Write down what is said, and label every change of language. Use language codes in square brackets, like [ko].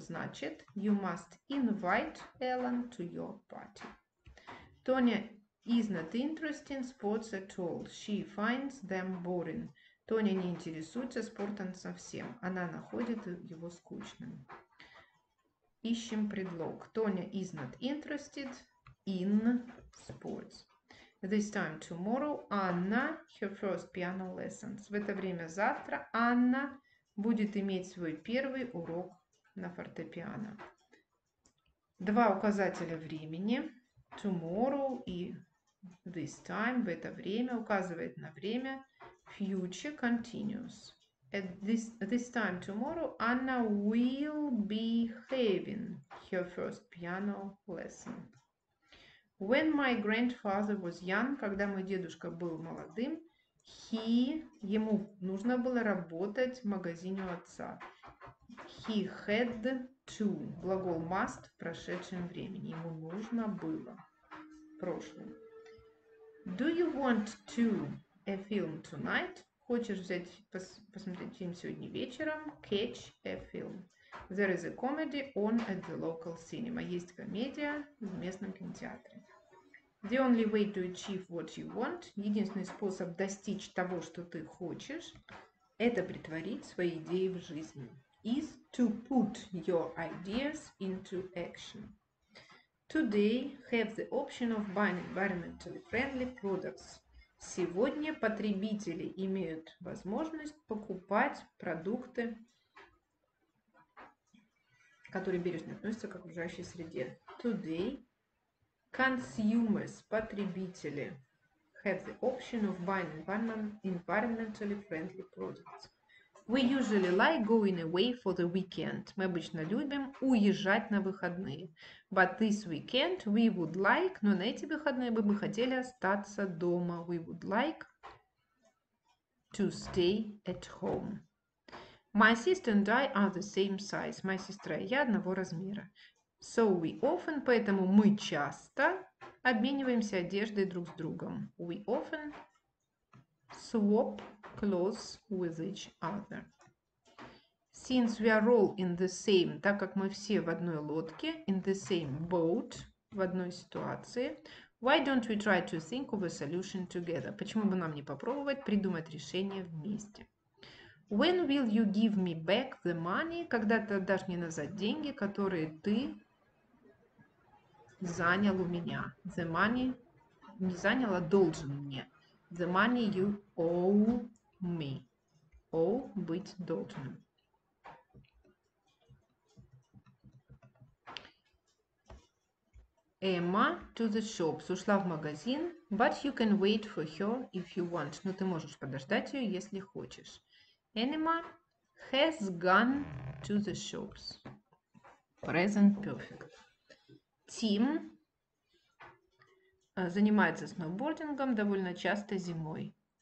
[en] Значит, you must invite Alan to your party. Tonya is not interested in sports at all. She finds them boring. [ru] Tonya не интересуется спортом совсем. Она находит его скучным. Ищем предлог. [en] Tonya is not interested in sports. This time tomorrow, Anna, her first piano lessons. [ru] В это время завтра Анна будет иметь свой первый урок на фортепиано. Два указателя времени. Tomorrow и this time, в это время, указывает на время. [en] Future continuous. At this time tomorrow, Anna will be having her first piano lesson. When my grandfather was young, [ru] когда мой дедушка был молодым, ему нужно было работать в магазине у отца. [en] He had to, [ru] глагол must в прошедшем времени. Ему нужно было в прошлом. [en] Do you want to a film tonight? [ru] Хочешь посмотреть фильм сегодня вечером? [en] Catch a film. There is a comedy on at the local cinema. [ru] Есть комедия в местном кинотеатре. [en] The only way to achieve what you want. [ru] Единственный способ достичь того, что ты хочешь, это притворить свои идеи в жизнь. [en] Is to put your ideas into action. Today have the option of buying environmentally friendly products. [ru] Сегодня потребители имеют возможность покупать продукты, которые бережно относятся к окружающей среде. [en] Today consumers, потребители, have the option of buying environmentally friendly products. We usually like going away for the weekend. [ru] Мы обычно любим уезжать на выходные. [en] But this weekend we would like, [ru] но на эти выходные мы бы хотели остаться дома. [en] We would like to stay at home. My sister and I are the same size. [ru] Моя сестра и я одного размера. [en] So we often, [ru] поэтому мы часто обмениваемся одеждой друг с другом. [en] We often swap clothes with each other. Since we are all in the same, [ru] так как мы все в одной лодке, [en] in the same boat, [ru] в одной ситуации, [en] why don't we try to think of a solution together? [ru] Почему бы нам не попробовать придумать решение вместе? [en] When will you give me back the money? [ru] Когда ты отдашь мне назад деньги, которые ты занял у меня? [en] The money [ru] не занял, а должен мне. [en] The money you owe me. [ru] Owe быть должным. [en] Emma to the shops. [ru] Ушла в магазин. [en] But you can wait for her if you want. [ru] Но ты можешь подождать ее, если хочешь. [en] Emma has gone to the shops. Present perfect. [ru] Tim занимается сноубордингом довольно часто зимой.